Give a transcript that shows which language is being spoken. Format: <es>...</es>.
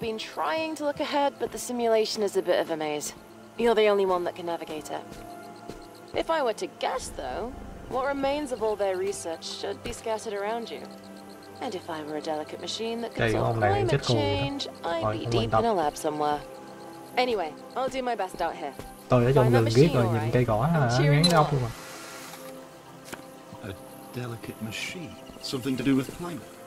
<en>been trying to look ahead, but the simulation is a bit of a maze. You're the only one that can navigate it. If I were to guess, though, what remains of all their research should be scattered around you. And if I were a delicate machine that could solve climate change, I'd be deep in a lab somewhere. Anyway, I'll do my best out here.</en> <vi>Tôi ở trong rừng biết rồi, nhìn cây cỏ là ngán ngốc luôn mà.</vi> <en>A delicate machine, something to do with climate.</en>